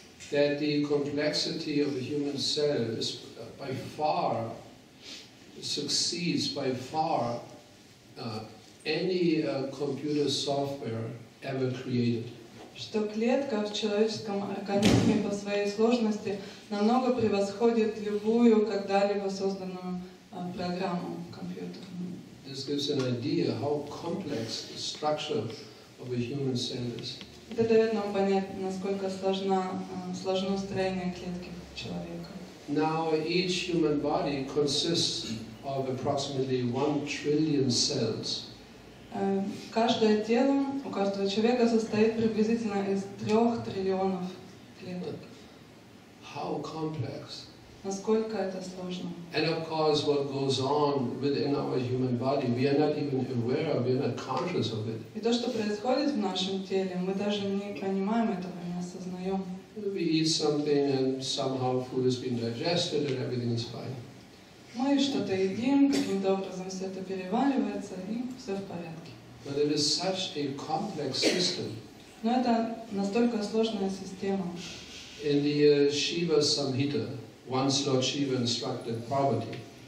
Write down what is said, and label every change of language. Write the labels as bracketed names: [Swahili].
[English] That the complexity of a human cell is by far succeeds by far any computer software ever created. [Russian] Что клетка в человеческом организме по своей сложности намного превосходит любую когда-либо созданную программу компьютерную. [English] This gives an idea how complex the structure of a human cell is. [Russian] Это дает нам понять, насколько сложно строение клетки человека. [English] Now each human body consists of approximately 1 trillion cells. [Russian] Каждое тело у каждого человека состоит приблизительно из 3 триллионов клеток. [English] How complex. [Russian] Насколько это сложно. [English] And of course, what goes on within our human body, we are not even aware of, we are not conscious of it. [Russian] И то, что происходит в нашем теле, мы даже не понимаем этого, не осознаем. [English] We eat something and somehow food has been digested and everything is fine. [Russian] Мы что-то едим, каким-то образом все это переваривается и все в порядке. [English] But it is such a complex system. [Russian] Но это настолько сложная система. [English] In the Shiva Samhita. Once Lord Shiva instructed Parvati.